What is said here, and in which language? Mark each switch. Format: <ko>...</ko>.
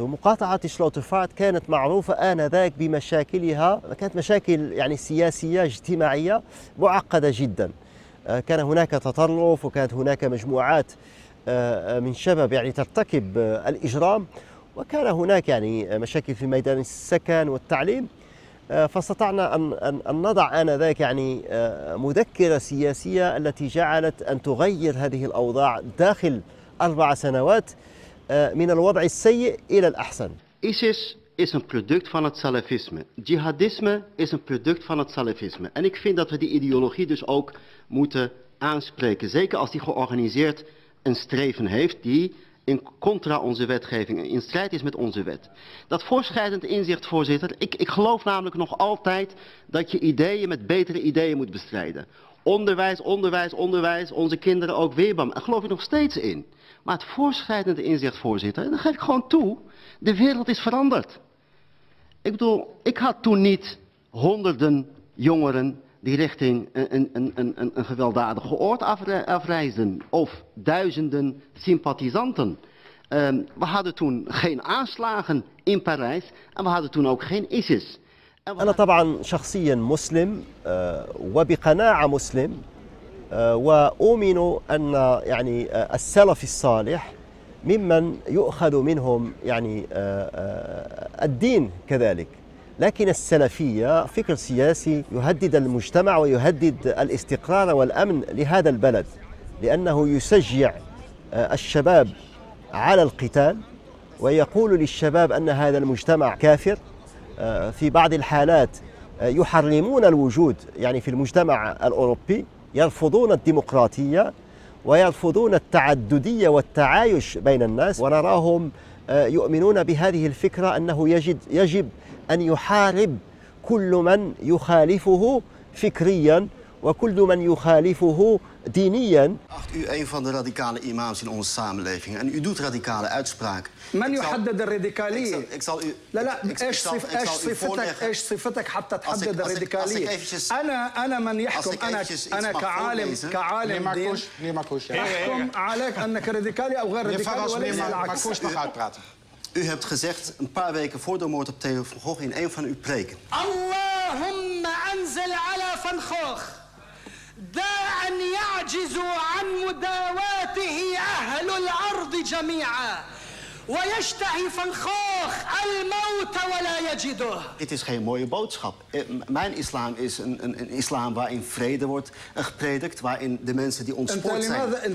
<ar>ومقاطعة سلوترفارت كانت معروفة آنذاك بمشاكلها، كانت مشاكل يعني سياسية اجتماعية معقدة جدا، كان هناك تطرف، وكانت هناك مجموعات من شباب يعني ترتكب الإجرام، وكان هناك يعني مشاكل في ميدان السكن والتعليم. فاستطعنا أن نضع آنذاك يعني مذكرة سياسية التي جعلت أن تغير هذه الأوضاع داخل 4 سنوات من الوضع السيء إلى الأحسن.</ar> <nl>ISIS is een product van het salafisme. Jihadisme is een product van het salafisme. En ik vind dat we die ideologie dus ook moeten aanspreken. Zeker als die georganiseerd een streven heeft die in contra onze wetgeving, in strijd is met onze wet. Dat voorschrijdend inzicht, voorzitter. Ik geloof namelijk nog altijd dat je ideeën met betere ideeën moet bestrijden. Onderwijs, onderwijs, onderwijs, onze kinderen ook weer bam. Daar geloof ik nog steeds in. Maar het voorschrijdende inzicht, voorzitter, en dan geef ik gewoon toe, de wereld is veranderd. Ik bedoel, ik had toen niet honderden jongeren die richting een gewelddadige oord afreisden, of duizenden sympathisanten. We hadden toen geen aanslagen in Parijs en we hadden toen ook geen ISIS.</nl> <ar>أنا طبعاً شخصياً مسلم وبقناعة مسلم، وأؤمن أن يعني السلف الصالح ممن يؤخذ منهم يعني الدين كذلك، لكن السلفية فكر سياسي يهدد المجتمع ويهدد الاستقرار والأمن لهذا البلد، لأنه يشجع الشباب على القتال ويقول للشباب أن هذا المجتمع كافر. في بعض الحالات يحرمون الوجود يعني في المجتمع الأوروبي، يرفضون الديمقراطية ويرفضون التعددية والتعايش بين الناس، ونراهم يؤمنون بهذه الفكرة أنه يجب أن يحارب كل من يخالفه فكريا وكل من يخالفه دينيا.</ar> <nl>أخت u een van de radicale imams in onze samenleving en u doet radicale uitspraken.</nl> <ar>من يحدد الراديكالية؟ ايش صفتك حتى تحدد الراديكالية؟ انا من يحكم، انا كعالم دين. احكم عليك انك راديكالي او غير راديكالي ولا العكس.</ar> <nl>U hebt gezegd een paar weken voor de moord op Theo van Gogh in een van uw preken.</nl> <ar>اللهم انزل على فان خوخ داعا يعجز عن مداواته اهل الارض جميعا ويشتهي فان خوخ الموت ولا يجده.</ar> <nl>Dit is geen mooie boodschap. Mijn islam is een islam waarin vrede wordt gepredikt, waarin de mensen die ontspoord zijn.</nl>